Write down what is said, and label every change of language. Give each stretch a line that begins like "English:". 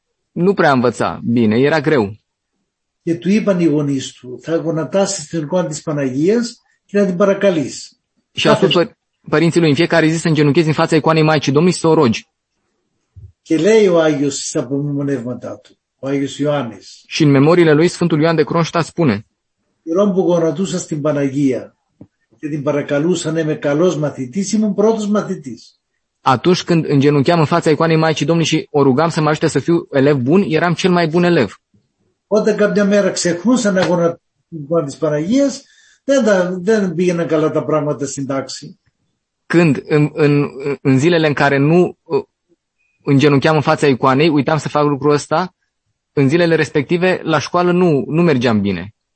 Romanian: Nu prea învăța bine, era greu.
Greek: Και του είπαν οι γονείς του, θα γονατάσεις την εικόνα της Παναγίας και να την παρακαλείς.
Romanian: Și a spus părinții lui, în fiecare zi să îngenunchezi în fața icoanei Maicii Domnului și să o rogi.
Greek: Και λέει ο Άγιος στα απομνημονεύματά του. Ο Άγιος Ιωάννης.
Romanian: Și în memoriile lui Sfântul Ioan de Kronstadt spune.
Greek: Ιερών που γονατούσα στην Παναγία και την παρακαλούσαν με καλός μαθητής, ήμουν πρώτος μαθητής.
Romanian: Atunci când îngenuncheam în fața icoanei Maicii Domnului și o rugam să mă ajute să fiu elev bun, eram cel mai bun elev.
Greek: Όταν κάποια μέρα ξεχνούσα να γονατίσω την εικόνα της Παναγίας, δεν πήγαινα καλά τα πράγματα στην τάξη.
Romanian: Când în zilele în care nu îngenuncheam în fața icoanei, uitam să fac lucrul ăsta. În zilele respective, la școală nu mergeam bine.